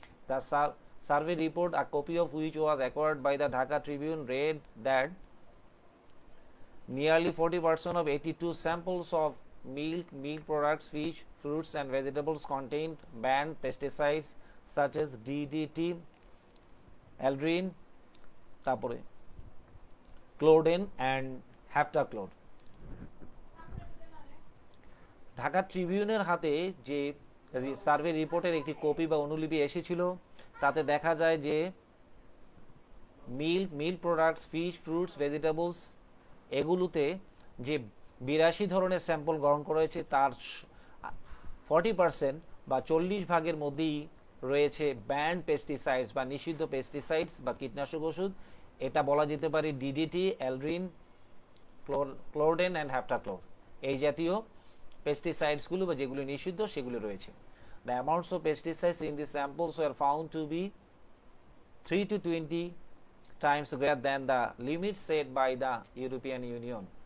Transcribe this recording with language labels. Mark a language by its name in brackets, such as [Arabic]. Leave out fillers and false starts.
[English] The survey report a copy of which was acquired by the Dhaka Tribune read that nearly 40% of 82 samples of milk, meat products, fish, fruits and vegetables contained banned pesticides such as DDT, aldrin, tapore, chlordane and heptachlor. [Bangla] Dhaka Tribune er hate je survey report er ekti copy ba onulibi eshechilo tate dekha jay je milk, meat products, fish, fruits, vegetables egulute je 82 ধরনের sample গ্রহণ করা হয়েছে তার 40% বা 40 ভাগের মধ্যেই রয়েছে band pesticides বা নিষিদ্ধ পেস্টিসাইডস বা কীটনাশক ওষুধ. এটা বলা যেতে পারে ডিডিটি, অ্যালড্রিন, ক্লোরডেন অ্যান্ড হ্যাপটাক্লোর এই জাতীয় পেস্টিসাইডসগুলো বা যেগুলি নিষিদ্ধ সেগুলি রয়েছে. [English] The amounts of pesticides in the samples were found to be 3-20 times greater than the limit set by the European Union.